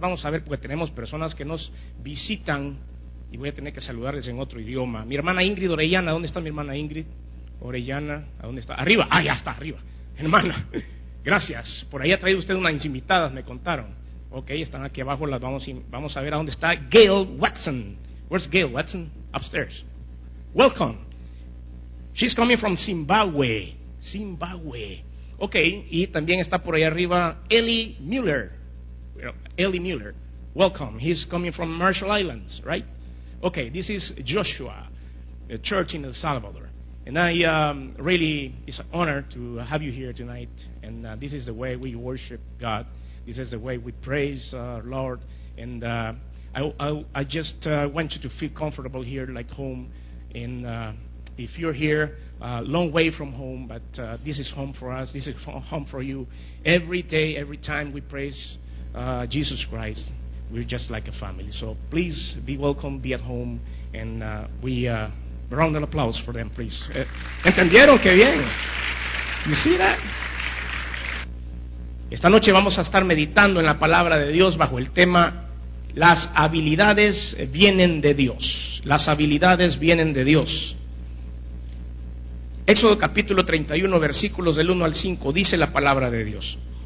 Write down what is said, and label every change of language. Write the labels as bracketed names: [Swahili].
[Spanish] Vamos a ver, porque tenemos personas que nos visitan. Y voy a tener que saludarles en otro idioma. Mi hermana Ingrid Orellana, ¿dónde está mi hermana Ingrid Orellana? ¿A dónde está? ¡Arriba! ¡Ah, ya está, arriba! Hermana, gracias. Por ahí ha traído usted unas invitadas, me contaron. Ok, están aquí abajo, las vamos a ver a dónde está Gail Watson. [English] Where's Gail Watson? Upstairs. Welcome. She's coming from Zimbabwe. Zimbabwe. [Spanish] Ok, y también está por ahí arriba Ellie Mueller. [English] Ellie Mueller. Welcome. He's coming from Marshall Islands, right? Okay, this is Joshua, the church in El Salvador. And I really, it's an honor to have you here tonight. And this is the way we worship God. This is the way we praise our Lord. And I just want you to feel comfortable here, like home. And if you're here, a long way from home, but this is home for us. This is home for you. Every day, every time we praise Jesus Christ, we're just like a family. So please be welcome, be at home, and we round of applause for them, please. [Spanish] ¿Entendieron? ¡Qué bien! [English] You see that? [Spanish] Esta noche vamos a estar meditando en la palabra de Dios bajo el tema Las habilidades vienen de Dios. Las habilidades vienen de Dios. Éxodo capítulo 31, versículos del 1 al 5, dice la palabra de Dios.